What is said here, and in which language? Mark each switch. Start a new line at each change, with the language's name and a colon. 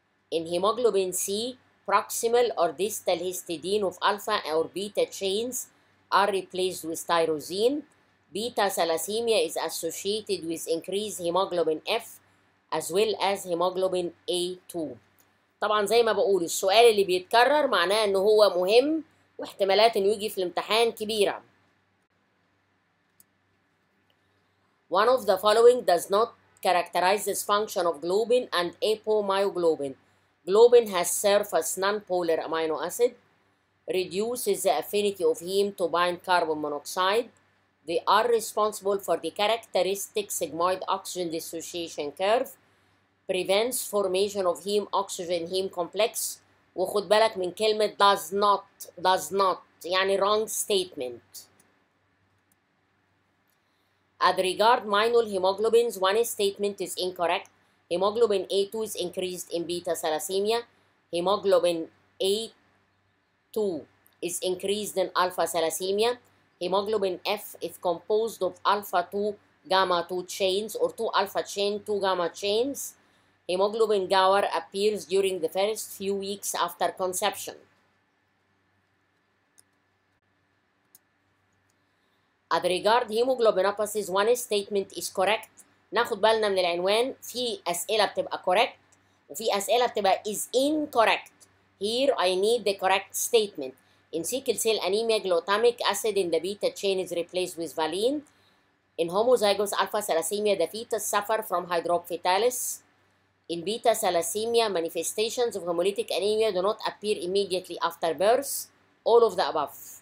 English: In hemoglobin C, proximal or distal histidine of alpha or beta chains are replaced with tyrosine. Beta thalassemia is associated with increased hemoglobin F as well as hemoglobin A2.
Arabic: طبعا زي ما بقول السؤال اللي بيتكرر معناه انه هو مهم واحتمالات انه يجي في الامتحان كبيرة.
English: One of the following does not characterize this function of globin and apomyoglobin. Globin has served as nonpolar amino acid, reduces the affinity of heme to bind carbon monoxide. They are responsible for the characteristic sigmoid oxygen dissociation curve, prevents formation of heme oxygen heme complex.
Arabic: وخد بالك من كلمة
English: does not,
Arabic: يعني
English: wrong statement. As regard minor hemoglobins, one statement is incorrect. Hemoglobin A2 is increased in beta thalassemia. Hemoglobin A2 is increased in alpha thalassemia. Hemoglobin F is composed of alpha 2 gamma 2 chains or 2 alpha chain 2 gamma chains. Hemoglobin Gower appears during the first few weeks after conception. As regard hemoglobinopathies, one statement is correct.
Arabic: ناخد بالنا من العنوان. في أسئلة بتبقى correct وفي أسئلة بتبقى
English: is incorrect. Here I need the correct statement. In sickle cell anemia, glutamic acid in the beta chain is replaced with valine. In homozygous alpha thalassemia, the fetus suffer from hydrophytalis. In beta thalassemia, manifestations of hemolytic anemia do not appear immediately after birth. All of the above.